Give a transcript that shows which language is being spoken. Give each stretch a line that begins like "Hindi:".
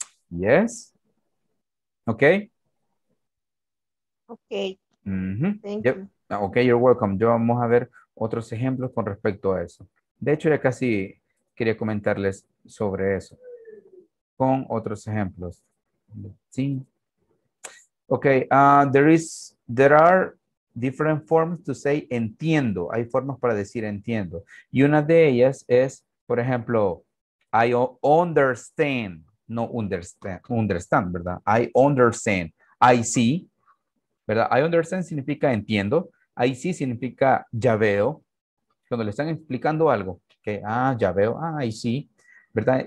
English: ¿Yes? ¿Ok? Ok. Mm-hmm. Thank you. Ok, you're welcome.
Spanish: Yo vamos a ver otros ejemplos con respecto a eso. De hecho, ya casi quería comentarles sobre eso. Con otros ejemplos. Sí.
English: Ok, there are different forms to say entiendo.
Spanish: Hay formas para decir entiendo. Y una de ellas es, por ejemplo,
English: I understand. No understand, ¿verdad? I understand. I see, ¿verdad? I understand
Spanish: significa entiendo.
English: I see
Spanish: significa ya veo. Cuando le están explicando algo, que ah, ya veo, ah,
English: I see.
Spanish: ¿Verdad?